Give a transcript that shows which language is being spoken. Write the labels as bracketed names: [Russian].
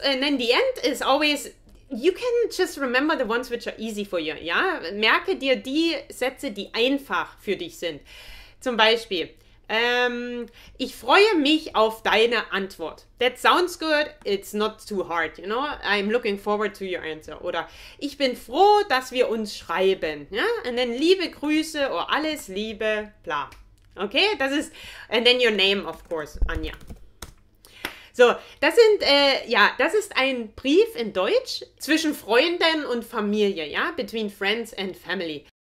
[English] And then the end is always, you can just remember the ones which are easy for you, ja? [German] Merke dir die Sätze, die einfach für dich sind. Zum Beispiel, ich freue mich auf deine Antwort. [English] That sounds good, it's not too hard, you know? I'm looking forward to your answer. [German] Oder ich bin froh, dass wir uns schreiben, ja? [English] And then [German] liebe Grüße oder alles Liebe, [English] bla. Okay, [German] das ist, [English] and then your name, of course, Anja. [German] So, das sind, ja, das ist ein Brief in Deutsch zwischen Freunden und Familie, ja, [English] between friends and family.